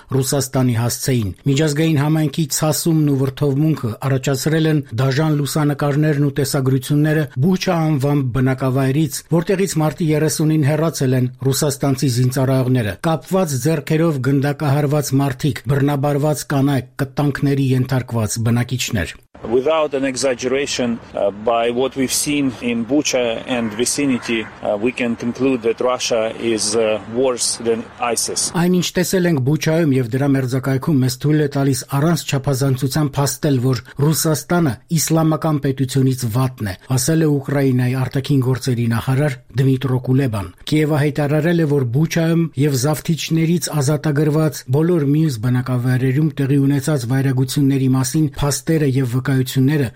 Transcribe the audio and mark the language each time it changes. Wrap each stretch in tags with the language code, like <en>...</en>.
<hy>Ռուսաստանի հասցեին։ Միջազգային համայնքի ցասումն ու վրդովմունքը առաջացրել են դաժան լուսանկարներն ու տեսագրությունները Բուչա անվան բնակավայրից, որտեղից մարտի 30-ին հեռացել են ռուսաստանցի զինծառայողները։ Կապված ձեռքերով գնդակահարված մարդիկ, բռնաբարված կանայք, կտանքների ենթարկված բնակիչներ։</hy> <en>Without an exaggeration, by what we've seen in Bucha and vicinity, we can conclude that Russia is worse than ISIS.</en> <hy>Այն ինչ տեսել ենք Բուչայում եւ դրա մերձակայքում, մեզ թույլ է տալիս առանց չափազանցության փաստել, որ Ռուսաստանը իսլամական պետությունից վատն է, ասել է Ուկրաինայի արտաքին գործերի նախարար Դմիտրո Կուլեբան։ Կիևը հայտարարել է, որ Բուչայում եւ Զավթիչներից ազատագրված բոլոր մյուս բնակավայրերում տեղի ունեցած վայրագությունների մասին փաստերը եւ վկայությունները</hy>